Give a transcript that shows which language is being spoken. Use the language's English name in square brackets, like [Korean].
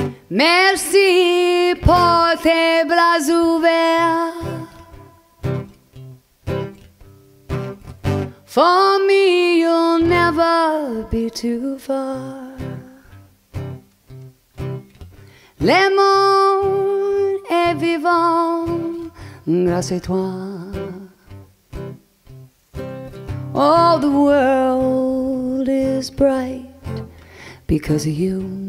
[French] Merci pour tes bras ouverts. [English] For me, you'll never be too far. [French] Le monde est vivant grâce à toi. [English] All the world is bright because of you.